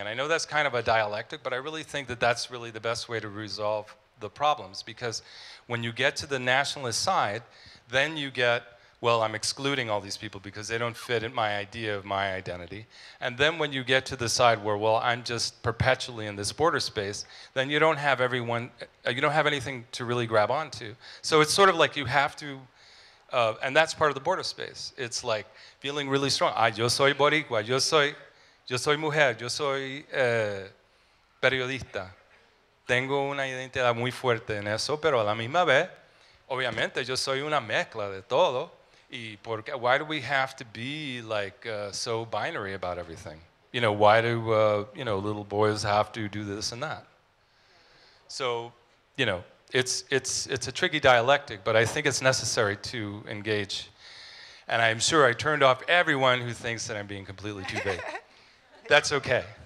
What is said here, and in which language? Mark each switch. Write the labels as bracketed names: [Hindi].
[English] And I know that's kind of a dialectic, but I really think that that's really the best way to resolve the problems, because when you get to the nationalist side, then you get, well, I'm excluding all these people because they don't fit in my idea of my identity. And then when you get to the side where, well, I'm just perpetually in this border space, then you don't have everyone, you don't have anything to really grab onto. So it's sort of like you have to, and that's part of the border space. It's like feeling really strong. [Spanish] Ah, yo soy boricua, yo soy mujer, yo soy periodista. Tengo una identidad muy fuerte en eso, pero a la misma vez, obviamente, yo soy una mezcla de todo. Y porque, [English] why do we have to be like so binary about everything? You know, why do you know, little boys have to do this and that? So, you know, it's a tricky dialectic, but I think it's necessary to engage. And I'm sure I turned off everyone who thinks that I'm being completely too vague. That's okay.